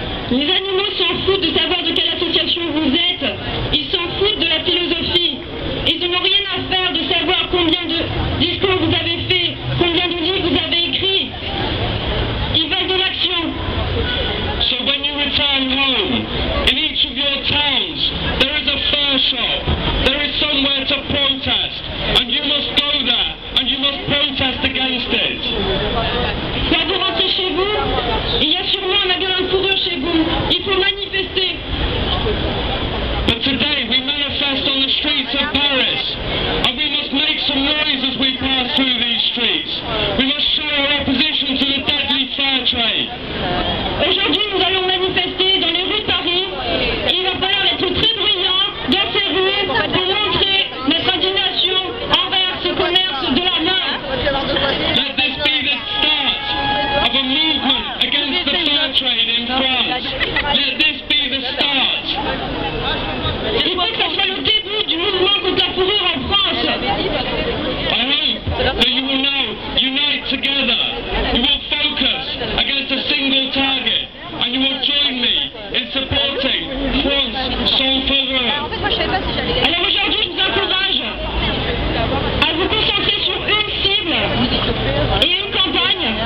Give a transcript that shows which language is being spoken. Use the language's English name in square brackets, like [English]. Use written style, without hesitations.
[French] Les animaux s'en foutent de savoir de quelle association vous êtes. Ils s'en foutent de la philosophie. Ils n'ont rien à faire de savoir combien de discours vous avez fait, combien de livres vous avez écrit. Ils veulent de l'action. [English] So when you return home, in each of your towns, there is a fur shop. There is somewhere to protest. And you must go there. And you must protest against it. [French] Quand vous rentrez chez vous, il y a sûrement un magasin de fourrure chez vous. Il faut manifester. [English] But today, we manifest on the streets of Paris. And we must make some noise as we pass through these streets. We must show our opposition to the deadly fur trade. [French] Aujourd'hui, nous allons manifester dans les rues de Paris. Il va falloir être très bruyant dans ces rues pour montrer notre indignation envers ce commerce de la main. [English] Let this be the start of a movement against the fur trade in France. Let this be the start. [French] Il faut que ça soit le début du mouvement contre la fourrure en France. [English] I hope that you will now unite together. We will focus against a single target. And you will join me in supporting France sans fourrure. [French] Alors aujourd'hui, je vous encourage à vous concentrer sur une cible et une campagne.